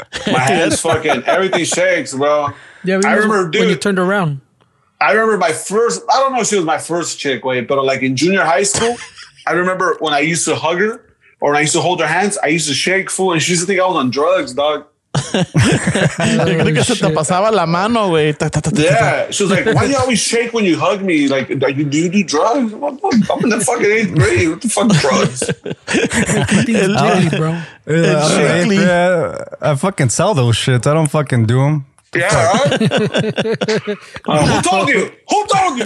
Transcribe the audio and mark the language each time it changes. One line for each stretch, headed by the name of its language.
English: My hands fucking, everything shakes, bro.
Spanish: Ya vimos,
English: I remember, dude, when you turned around. I remember my first, I don't know if she was my first chick, güey, but like in junior high school, I remember when I used to hug her or when I used to hold her hands, I used to shake, fool, and she used to think I was on drugs, dog.
Spanish: Yo creo que se te pasaba la mano, güey.
English: Yeah, she was like, why do you always shake when you hug me? Like, do you do drugs? I'm in the fucking eighth grade. What the fuck, drugs? I fucking sell those shits. I don't fucking do them. Yeah, right? Who told you?